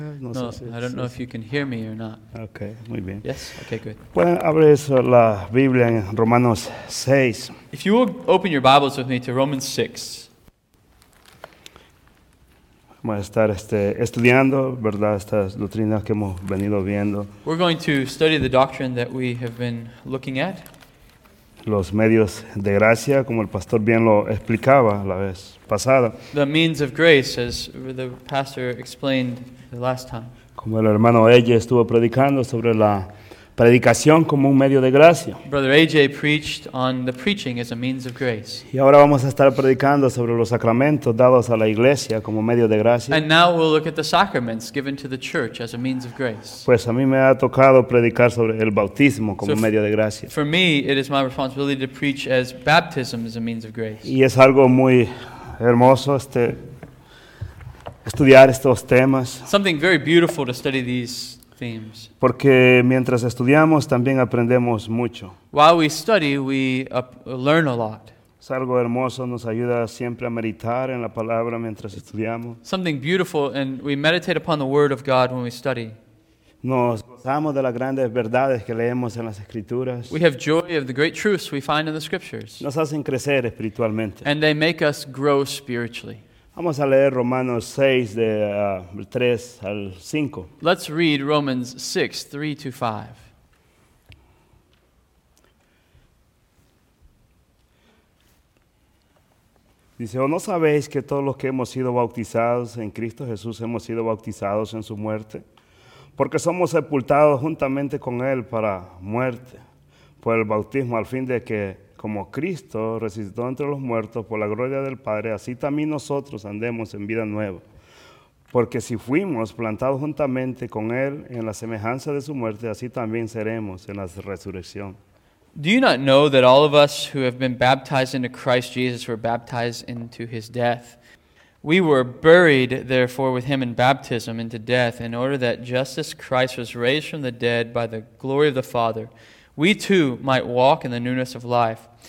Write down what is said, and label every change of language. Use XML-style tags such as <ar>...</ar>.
<en>I don't know if you can hear me or not.</en> <es>Okay, muy bien.</es> <en>Yes? Okay, good.</en> <es>Pueden abrir la Biblia en Romanos 6.</es> <en>If you will open your Bibles with me to Romans 6.</en> <es>Vamos a estar estudiando, ¿verdad? Estas doctrinas que hemos venido viendo.</es> <en>We're going to study the doctrine that we have been looking at.</en> <es>Los medios de gracia, como el pastor bien lo explicaba la vez pasada.</es> <en>The means of grace, as the pastor explained the last time.</en> <es>Como el hermano AJ estuvo predicando sobre la predicación como un medio de gracia.</es> <en>Brother AJ preached on the preaching as a means of grace.</en> <es>Y ahora vamos a estar predicando sobre los sacramentos dados a la iglesia como medio de gracia.</es> <en>And now we'll look at the sacraments given to the church as a means of grace.</en> <es>Pues a mí me ha tocado predicar sobre el bautismo como medio de gracia.</es> <en>For me, it is my responsibility to preach as baptism as a means of grace.</en> <es>Y es algo muy hermoso estudiar estos temas.</es> <en>Something very beautiful to study these themes.</en> <es>Porque mientras estudiamos también aprendemos mucho.</es> <en>While we study, we learn a lot.</en> <es>Es algo hermoso, nos ayuda siempre a meditar en la palabra mientras estudiamos.</es> <en>Something beautiful, and we meditate upon the word of God when we study.</en> <es>Nos gozamos de las grandes verdades que leemos en las escrituras.</es> <en>We have joy of the great truths we find in the scriptures.</en> <es>Nos hacen crecer espiritualmente.</es> <en>And they make us grow spiritually.</en> <es>Vamos a leer Romanos 6, de 3 al 5.</es> <en>Let's read Romans 6, 3 to 5.</en> <es>Dice, ¿o no sabéis que todos los que hemos sido bautizados en Cristo Jesús hemos sido bautizados en su muerte? Porque somos sepultados juntamente con Él para muerte, por el bautismo, al fin de que, como Cristo resucitó entre los muertos por la gloria del Padre, así también nosotros andemos en vida nueva. Porque si fuimos plantados juntamente con Él en la semejanza de su muerte, así también seremos en la resurrección.</es> <en>Do you not know that all of us who have been baptized into Christ Jesus were baptized into His death? We were buried, therefore, with Him in baptism into death, in order that just as Christ was raised from the dead by the glory of the Father, we too might walk in the newness of life.</en>